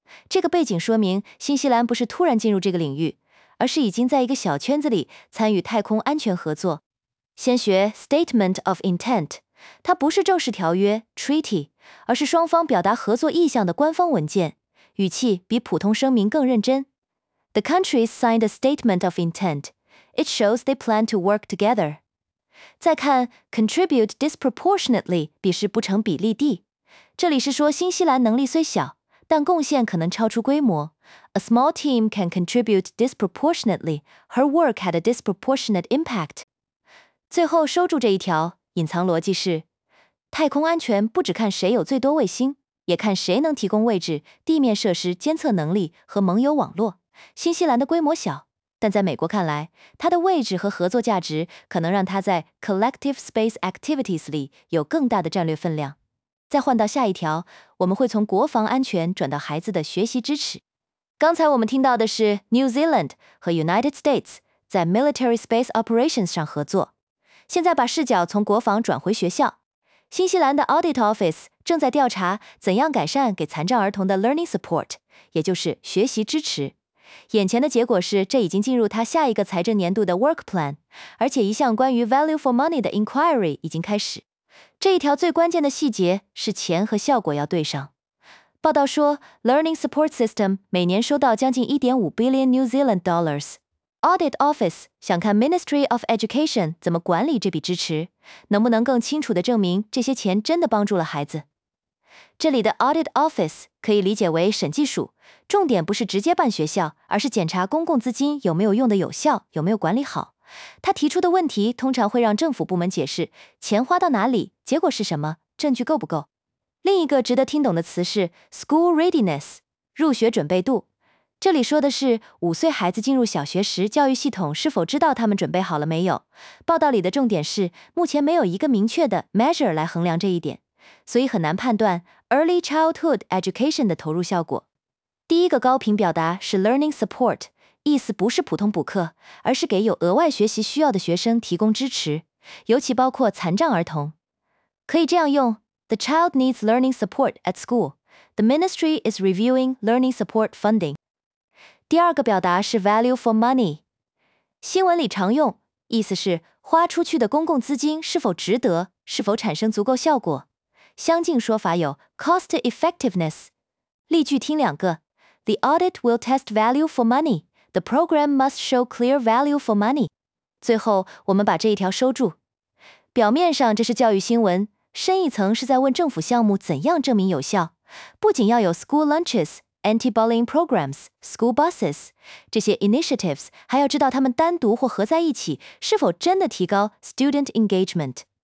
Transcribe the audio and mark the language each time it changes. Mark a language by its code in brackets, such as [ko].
[zh] 这个背景说明新西兰不是突然进入这个领域，而是已经在一个小圈子里参与太空安全合作。先学 Statement of Intent， 它不是正式条约 Treaty， 而是双方表达合作意向的官方文件，语气比普通声明更认真。 [en] The countries signed a Statement of Intent. It shows they plan to work together. [zh] 再看 Contribute disproportionately 比是不成比例地，这里是说新西兰能力虽小，但贡献可能超出规模。 [en] A small team can contribute disproportionately. Her work had a disproportionate impact. [zh] 最后收住这一条，隐藏逻辑是，太空安全不只看谁有最多卫星，也看谁能提供位置、地面设施、监测能力和盟友网络。新西兰的规模小，但在美国看来，它的位置和合作价值可能让它在 Collective Space Activities 里有更大的战略分量。再换到下一条，我们会从国防安全转到孩子的学习支持。刚才我们听到的是 New Zealand 和 United States 在 Military Space Operations 上合作。现在把视角从国防转回学校，新西兰的 Audit Office 正在调查怎样改善给残障儿童的 Learning Support， 也就是学习支持。眼前的结果是，这已经进入他下一个财政年度的 Work Plan， 而且一项关于 Value for Money 的 Inquiry 已经开始。这一条最关键的细节是钱和效果要对上。报道说 ，Learning Support System 每年收到将近 1.5 billion New Zealand dollars。 Audit Office 想看 Ministry of Education 怎么管理这笔支持，能不能更清楚地证明这些钱真的帮助了孩子。这里的 Audit Office 可以理解为审计署，重点不是直接办学校，而是检查公共资金有没有用得有效，有没有管理好。他提出的问题通常会让政府部门解释钱花到哪里，结果是什么，证据够不够。另一个值得听懂的词是 School Readiness， 入学准备度。这里说的是五岁孩子进入小学时，教育系统是否知道他们准备好了没有。报道里的重点是，目前没有一个明确的 measure 来衡量这一点，所以很难判断 early childhood education 的投入效果。第一个高频表达是 learning support， 意思不是普通补课，而是给有额外学习需要的学生提供支持，尤其包括残障儿童。 [en] 可以这样用 ：The child needs learning support at school. The ministry is reviewing learning support funding. [zh] 第二个表达是 value for money， 新闻里常用，意思是花出去的公共资金是否值得，是否产生足够效果。 [en] 相近说法有 cost effectiveness，例句听两个 ：The audit will test value for money. The program must show clear value for money. [zh] 最后，我们把这一条收住。表面上这是教育新闻，深一层是在问政府项目怎样证明有效，不仅要有 school lunches。 [en] Anti-bullying programs, school buses, [zh] 这些 initiatives 还要知道他们单独或合在一起是否真的提高 student engagement。